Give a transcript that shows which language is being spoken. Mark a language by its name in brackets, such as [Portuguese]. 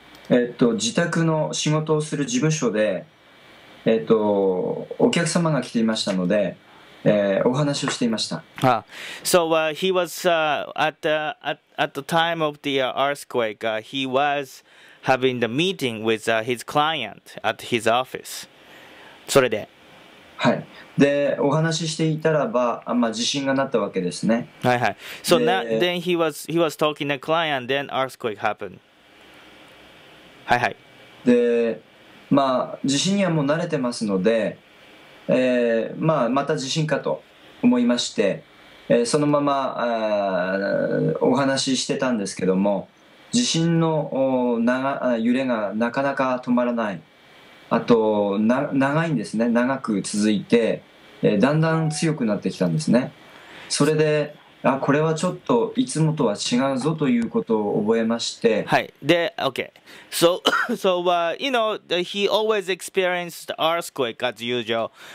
[Japanese] 自宅の仕事をする事務所で、お客様が来ていましたので、お話をしていました。 Ah. [English] So he was at the time of the earthquake, he was having the meeting with his client at his office. [Japanese] それで。はい。で、お話ししていたらば、まあ、地震がなったわけですね。はいはい。 [English] So now, then he was talking to a client, then earthquake happened. [Japanese] はいはい。で、まあ、地震にはもう慣れてますので、まあ、また地震かと思いまして、そのままお話ししてたんですけども、地震の揺れがなかなか止まらない。あと長いんですね。長く続いて、だんだん強くなってきたんですね。それで、あ、これはちょっといつもとは違うぞということを覚えまして。はい。で、okay. [English] So, so, you know, he always experienced earthquake as usual.